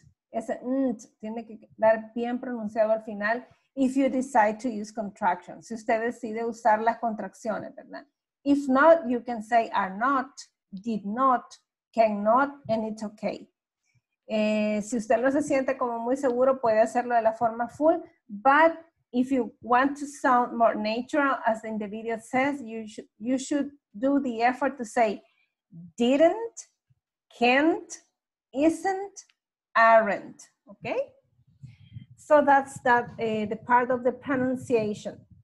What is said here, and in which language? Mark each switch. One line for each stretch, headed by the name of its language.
Spanish: Ese aren't tiene que quedar bien pronunciado al final.
English: If you decide to use contractions.
Spanish: Si usted decide usar las contracciones, ¿verdad?
English: If not, you can say are not, did not, cannot, and it's okay.
Spanish: Si usted no se siente como muy seguro, puede hacerlo de la forma full.
English: But if you want to sound more natural, as in the video says, you should do the effort to say didn't, can't, isn't, aren't. Okay? So that's that, the part of the pronunciation.